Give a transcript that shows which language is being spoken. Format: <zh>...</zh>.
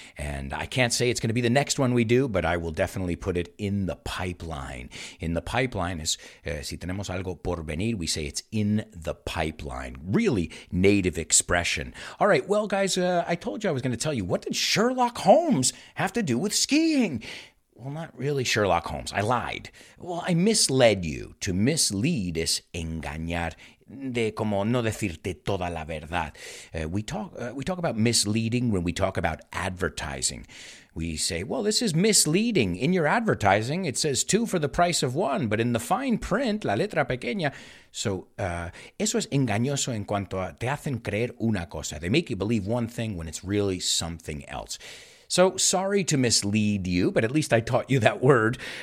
<en>And I can't say it's going to be the next one we do, but I will definitely put it in the pipeline. In the pipeline is,</en> <es>si tenemos algo por venir,</es> <en>we say it's in the pipeline. Really native expression. All right, well, guys, I told you I was going to tell you, what did Sherlock Holmes have to do with skiing? Well, not really Sherlock Holmes. I lied. Well, I misled you. To mislead is</en> <es>engañar, de como no decirte toda la verdad.</es> <en>We talk about misleading when we talk about advertising. We say, well, this is misleading. In your advertising, it says two for the price of one, but in the fine print,</en> <es>la letra pequeña. So eso es engañoso en cuanto a te hacen creer una cosa.</es> <en>They make you believe one thing when it's really something else. So sorry to mislead you, but at least I taught you that word.</en>